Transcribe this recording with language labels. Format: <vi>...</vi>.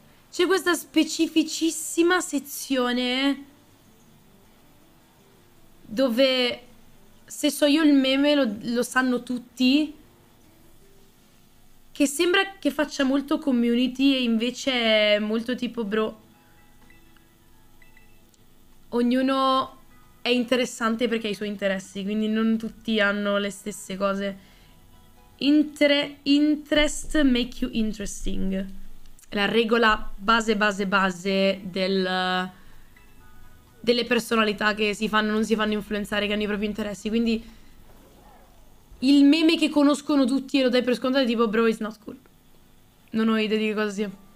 <it>C'è questa specificissima sezione dove se so io il meme lo sanno tutti, che sembra che faccia molto community e invece è molto tipo bro. Ognuno è interessante perché ha i suoi interessi, quindi non tutti hanno le stesse cose.</it> <en>Interest make you interesting.</en> <it>La regola base delle personalità che si fanno, non si fanno influenzare, che hanno i propri interessi. Quindi il meme che conoscono tutti e lo dai per scontato è tipo bro,</it> <en>it's not cool.</en> <it>Non ho idea di che cosa sia.</it>